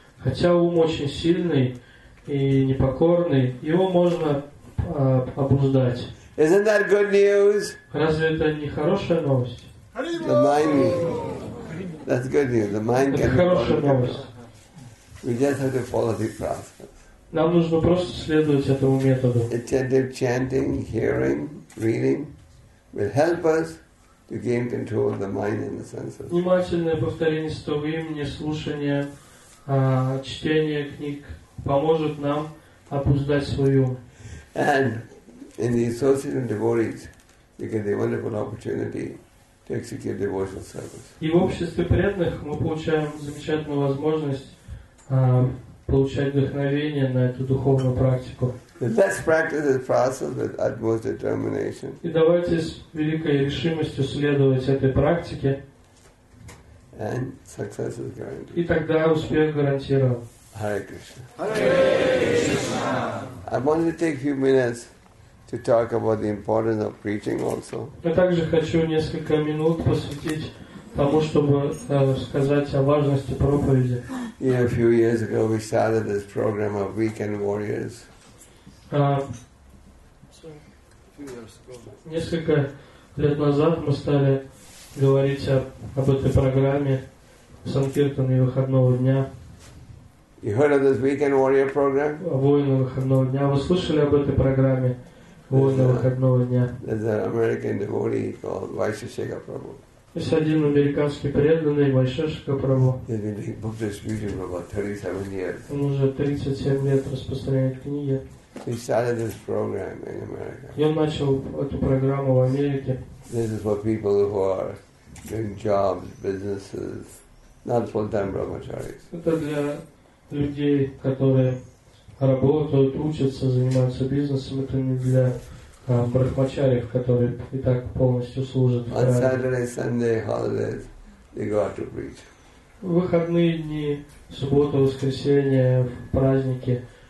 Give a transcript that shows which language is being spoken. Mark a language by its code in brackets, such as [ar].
[ru] Хотя ум очень сильный и непокорный, его можно обуздать. [en] Isn't that good news? [ru] Разве это не хорошая новость? [en] The mind. That's good news. The mind can be brought in control. We just have to follow the process. [ru] Нам нужно просто следовать этому методу. [en] Attentive chanting, hearing, reading will help us to gain control of the mind and the senses. [ru] Внимательное повторение стихов, не слушание, чтение книг поможет нам обуздать свой ум. [en] And in the association of devotees, you get the wonderful opportunity to execute devotional service. [ru] И в обществе преданных мы получаем замечательную возможность получать вдохновение на эту духовную практику. [en] Let's practice this process with utmost determination. [ru] И давайте с великой решимостью следовать этой практике. [en] And success is guaranteed. [ru] И тогда успех гарантирован. [sa] Hare Krishna. Hare Krishna. [en] I wanted to take a few minutes to talk about the importance of preaching also. [ru] Я также хочу несколько минут посвятить тому, чтобы сказать о важности проповеди. [en] Yeah, a few years ago we started this program of Weekend Warriors. [ru] Несколько лет назад мы стали говорить об этой программе Санкиртана и выходного дня. [en] You heard of this Weekend Warrior program? [ru] Воины выходного дня. Вы слышали об этой программе Воины выходного дня? [en] There's an American devotee called Vaisheshika Prabhu. [ru] Есть один американский преданный Вайшешика Прабху. [en] He's been doing book distribution for about 37 years. [ru] Он уже 37 лет распространяет книги. [en] He started this program in America. [ru] И он начал эту программу в Америке. [en] This is for people who are doing jobs, businesses, not full-time brahmacharis. [ru] Это для людей, которые работают, учатся, занимаются бизнесом. Это не для брахмачариев, которые и так полностью служат. [en] On Saturday, Sunday, holidays, they go out to preach. [ru] Выходные дни, суббота, воскресенье, праздники.